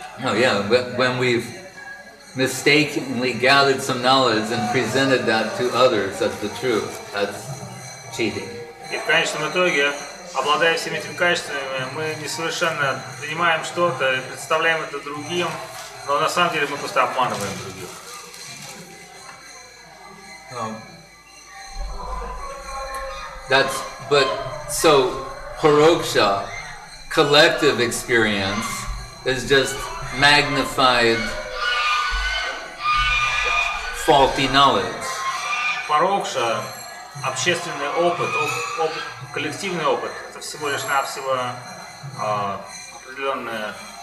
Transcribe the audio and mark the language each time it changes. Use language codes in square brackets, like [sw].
[en] Oh yeah, when we've mistakenly gathered some knowledge and presented that to others as the truth, that's cheating. [ru] И в конечном итоге, обладая всеми этими качествами, мы несовершенно принимаем что-то и представляем это другим, но на самом деле мы просто обманываем других. [en] That's, but, so, paroksha, collective experience is just magnified faulty knowledge. [ru] Порокша общественный опыт, коллективный опыт это всего лишь навсего определённое